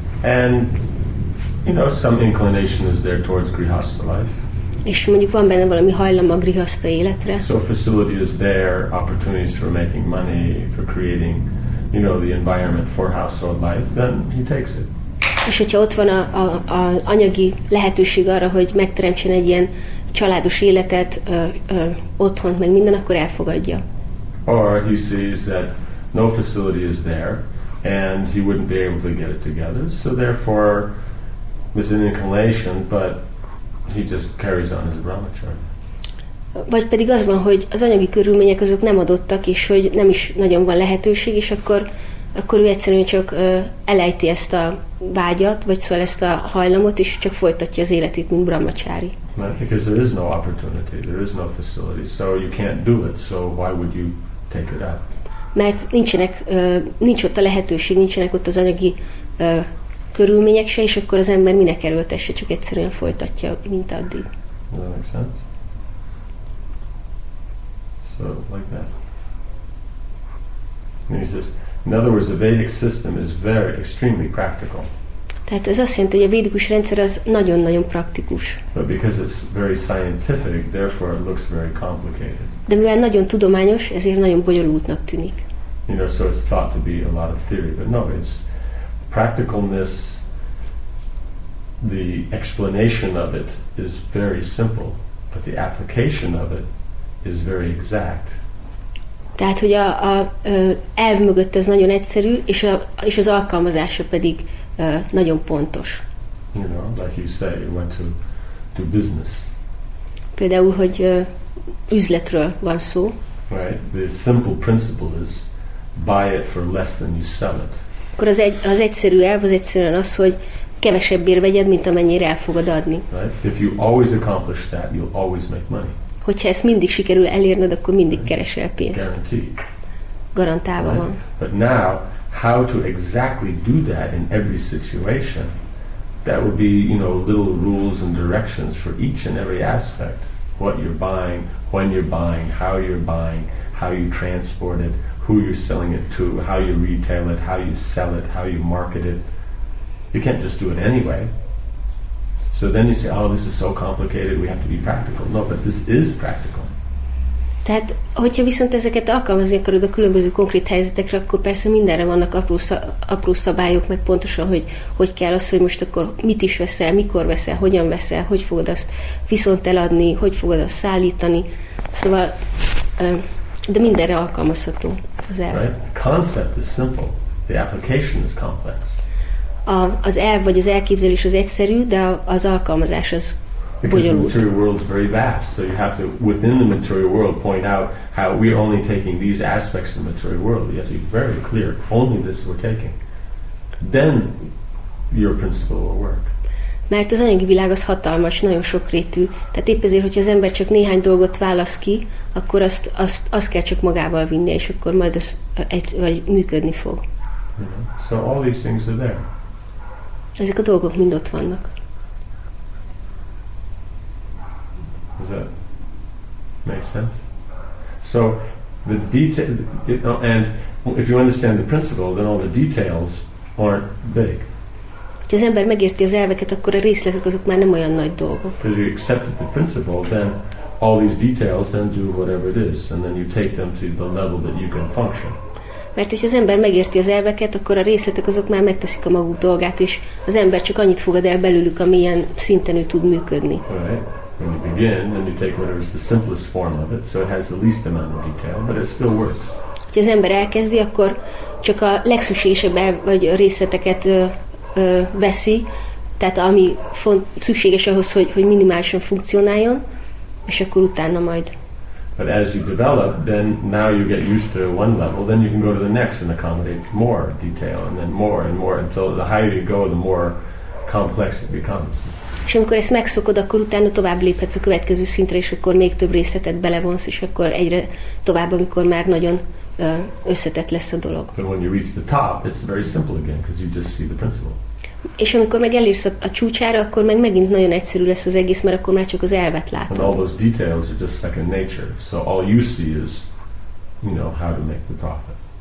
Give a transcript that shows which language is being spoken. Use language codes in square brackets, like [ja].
[en] And, you know, some inclination is there towards grihastha life. [hu] És mondjuk van benne valami hajlam a grihastha életre. [en] So facility is there, opportunities for making money, for creating, you know, the environment for household life, then he takes it. [hu] És hogyha ott van a anyagi lehetőség arra, hogy megteremtsen egy ilyen családos életet otthont, meg minden, akkor elfogadja. [en] Or he sees that no facility is there, and he wouldn't be able to get it together, so therefore there's an inclination, but he just carries on his brahmacharya. [hu] Vagy pedig az van, hogy az anyagi körülmények azok nem adottak, és hogy nem is nagyon van lehetőség, és akkor ő egyszerűen csak elejti ezt a vágyat, vagy szóval ezt a hajlamot, és csak folytatja az életét, mint brahmachari. [en] Because there is no opportunity, there is no facility, so you can't do it, so why would you take it out? [hu] Mert nincs ott a lehetőség, nincsenek ott az anyagi körülmények se, és akkor az ember minek erőltesse, csak egyszerűen folytatja, mint addig. [en] Does that make sense? So, like that. And he says, In other words, the Vedic system is very extremely practical. [hu] Tehát ez azt jelenti, hogy a védikus rendszer az nagyon-nagyon praktikus. [en] But because it's very scientific, therefore it looks very complicated. [hu] De mivel nagyon tudományos, ezért nagyon bonyolultnak tűnik. [en] You know, so it's thought to be a lot of theory, but no, it's practicalness. The explanation of it is very simple, but the application of it is very exact. [hu] Tehát, hogy a elv mögött ez nagyon egyszerű, és az alkalmazása pedig nagyon pontos. [en] You know, like you say, you want to do business. [hu] Például, hogy üzletről van szó. [en] Right. The simple principle is buy it for less than you sell it. [hu] Akkor az egyszerű elv az egyszerűen az, hogy kevesebbért vegyed, mint amennyire el fogod adni. [en] Right? If you always accomplish that, you'll always make money. [hu] Hogyha ezt mindig sikerül elérned, akkor mindig keresel pénzt. [en] Guaranteed. [hu] Garantálva [en] right? [hu] van. [en] But now, how to exactly do that in every situation, that would be, you know, little rules and directions for each and every aspect. What you're buying, when you're buying, how you're buying, how you transport it, who you're selling it to, how you retail it, how you sell it, how you market it. You can't just do it anyway. So then you say, oh, this is so complicated, we have to be practical. No, but this is practical. [hu] Tehát, hogyha viszont ezeket alkalmazni akarod a különböző konkrét helyzetekre, akkor persze mindenre vannak apró szabályok, meg pontosan, hogy kell az, hogy most akkor mit is veszel, mikor veszel, hogyan veszel, hogy fogod azt viszont eladni, hogy fogod azt szállítani. Szóval, de mindenre alkalmazható az elv. [en] Right? The concept is simple. The application is complex. [hu] Az elv vagy az elképzelés az egyszerű, de az alkalmazás az bonyolult. [en] Because the material world is very vast, so you have to, within the material world, point out how we are only taking these aspects of the material world. You have to be very clear, only this we're taking. Then your principle will work. [hu] Mert az anyagi világ az hatalmas, nagyon sokrétű. Tehát épp ezért, hogyha az ember csak néhány dolgot válasz ki, akkor azt kell csak magával vinni, és akkor majd az vagy működni fog. [en] Yeah. So all these things are there. [hu] Ezek a dolgok mind ott vannak. [en] Does that make sense? So the detail, you know, and if you understand the principle, then all the details aren't big. [hu] Ha az ember megérti az elveket, akkor a részletek azok már nem olyan nagy dolgok. [en] If you accept the principle, then all these details then do whatever it is, and then you take them to the level that you can function. [hu] Mert hogyha az ember megérti az elveket, akkor a részletek azok már megteszik a maguk dolgát, és az ember csak annyit fogad el belőlük, amilyen szinten ő tud működni. [en] Right. When you begin, then you take whatever is the simplest form of it, so it has the least amount of detail, but it still works. [hu] Hogyha az ember elkezdi, akkor csak a legszükségesebb vagy részleteket veszi, tehát ami szükséges ahhoz, hogy minimálisan funkcionáljon, és akkor utána majd. [en] But as you develop, then now you get used to one level, then you can go to the next and accommodate more detail, and more, until the higher you go, the more complex it becomes. [hu] És amikor ezt megszokod, akkor utána tovább léphetsz a következő szintre, és akkor még több részletet belevonsz, és akkor egyre tovább, amikor már nagyon összetett lesz a dolog. [en] But when you reach the top, it's very simple again, because you just see the principle. [hu] És amikor meg elérsz a csúcsára, akkor meg megint nagyon egyszerű lesz az egész, mert akkor már csak az elvet látod. [en] And all those details are just second nature. So all you see is, you know, how to make the profit.